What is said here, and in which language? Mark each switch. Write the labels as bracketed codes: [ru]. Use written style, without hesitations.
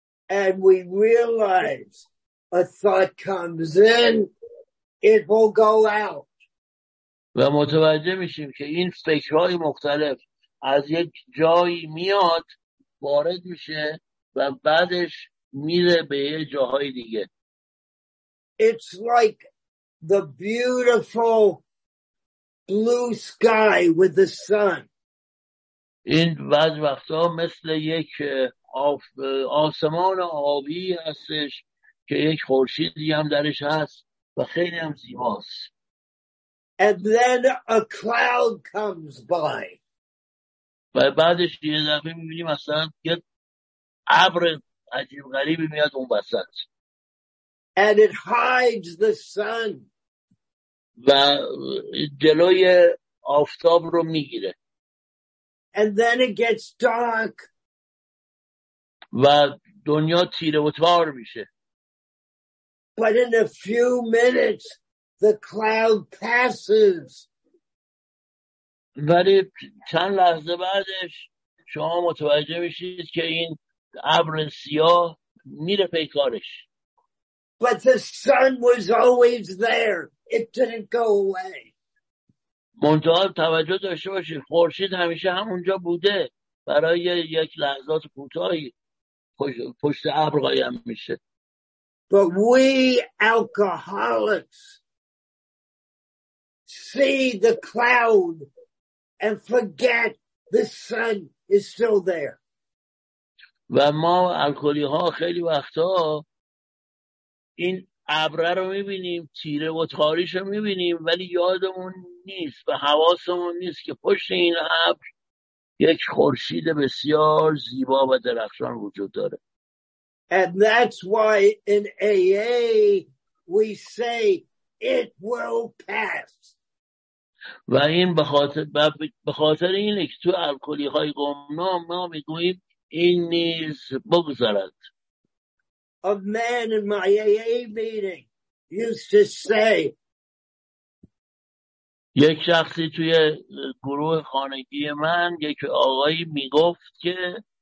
[en] And we realize a thought comes in, it will go out. [fa] و متوجه میشیم که این فکرهای مختلف از یک جایی میاد، وارد میشه و بعدش میره به یه جاهای دیگه. [en] It's like the beautiful blue sky with the sun. [fa] این بعض وقتا مثل یک آسمان آبی هستش که یک خورشیدی هم درش هست و خیلی هم زیباست. [en] And then a cloud comes by. [fa] و بعدش یه دفعه می‌بینیم مثلا یه ابر عجیب غریبی میاد اون وسط. [en] And it hides the sun. [fa] و جلوی آفتاب رو میگیره. [en] And then it gets dark. [fa] و دنیا تیره و تار میشه. [en] But in a few minutes the cloud passes. [fa] ولی چند لحظه بعدش شما متوجه میشید که این ابر سیاه میره پیکارش. [en] But the sun was always there. It didn't go away. [fa] منتها توجه داشته باشید خورشید همیشه همونجا بوده، برای یک لحظات کوتاهی پشت ابر قایم میشه. [en] But we alcoholics see the cloud and forget the sun is still there. [fa] و ما الکلی ها خیلی وقتا این ابر رو میبینیم، تیره و تاریش رو میبینیم، ولی یادمون نیست و حواسمون نیست که پشت این ابر یک خورشید بسیار زیبا و درخشان وجود داره. [en] And that's why in AA we say it will pass. [fa] و این به خاطر اینه که تو الکلی های گمنام ما میگوییم این نیز بگذرد. [en] A man in my AA meeting used to say. [fa] یک شخصی توی گروه خانگی من، یک آقایی میگفت که